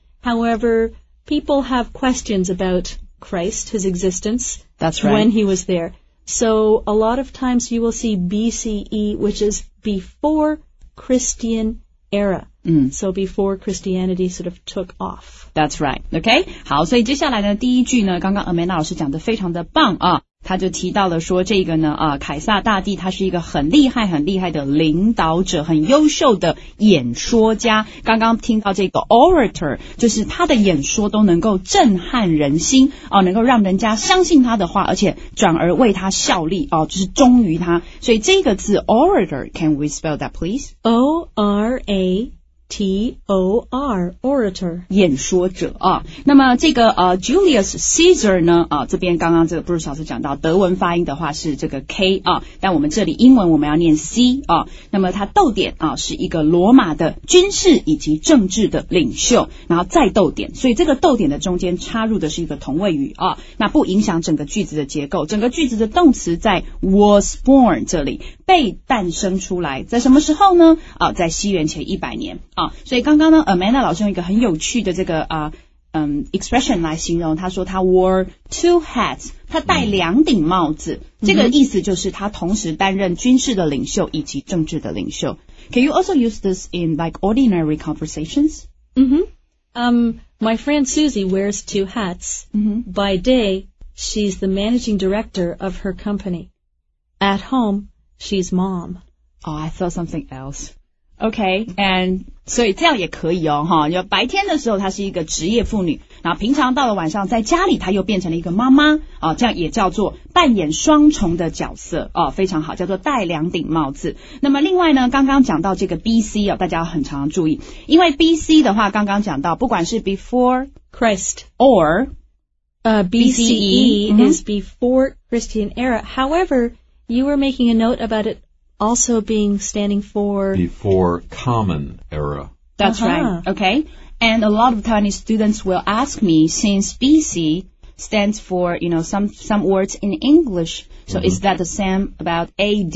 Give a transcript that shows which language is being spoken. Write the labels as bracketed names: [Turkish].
[English] However, people have questions about Christ, his existence. That's right. When he was there. So a lot of times you will see BCE, which is before Christian era. Mm. So before Christianity sort of took off. That's right. Okay. [Chinese] 好，所以接下来的第一句呢，刚刚Amanda老师讲的非常的棒啊。他就提到了说这个呢啊，凯撒大帝他是一个很厉害很厉害的领导者，很优秀的演说家。刚刚听到这个 orator， 就是他的演说都能够震撼人心啊，能够让人家相信他的话，而且转而为他效力啊，就是忠于他。所以这个字 orator， [English] can we spell that please？ O-R-A-T-O-R, orator. [Chinese] 演说者啊。那么这个Julius Caesar 呢啊，这边刚刚这个 Bruce 老师讲到德文发音的话是这个 K 啊，但我们这里英文我们要念 C 啊。那么他逗点啊是一个罗马的军事以及政治的领袖，然后再逗点，所以这个逗点的中间插入的是一个同位语啊，那不影响整个句子的结构。整个句子的动词在 was born 这里，被诞生出来，在什么时候呢啊，在西元前100年啊。所以刚刚呢 Amanda 老师用一个很有趣的这个expression 来形容，他说他 [English] wore two hats， [Chinese] 他戴两顶帽子、嗯、这个意思就是他同时担任军事的领袖以及政治的领袖。 [English] Can you also use this in like ordinary conversations? My friend Susie wears two hats、 mm-hmm. By day she's the managing director of her company. At home she's mom. Oh, I thought something elseOkay, and [Chinese] 所以这样也可以哦哈，就白天的时候她是一个职业妇女，然后平常到了晚上在家里她又变成了一个妈妈啊，这样也叫做扮演双重的角色啊，非常好，叫做戴两顶帽子。那么另外呢，刚刚讲到这个 BC 啊，大家要很常注意，因为 BC 的话刚刚讲到不管是 before [English] Christ or BCE is before Christian era. However, you were making a note about itAlso being standing for... Before Common Era. That's、uh-huh. right. Okay. And a lot of Chinese students will ask me, since BC stands for, you know, some words in English, so、mm-hmm. is that the same about AD?